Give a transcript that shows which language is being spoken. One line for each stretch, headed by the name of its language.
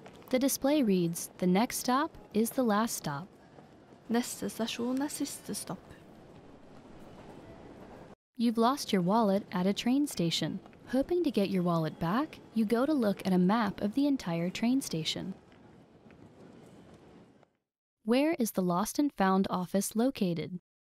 English: The display reads, "The next stop is the last stop."
Norwegian: Neste stasjon er siste stopp.
English: You've lost your wallet at a train station. Hoping to get your wallet back, you go to look at a map of the entire train station. Where is the lost and found office located?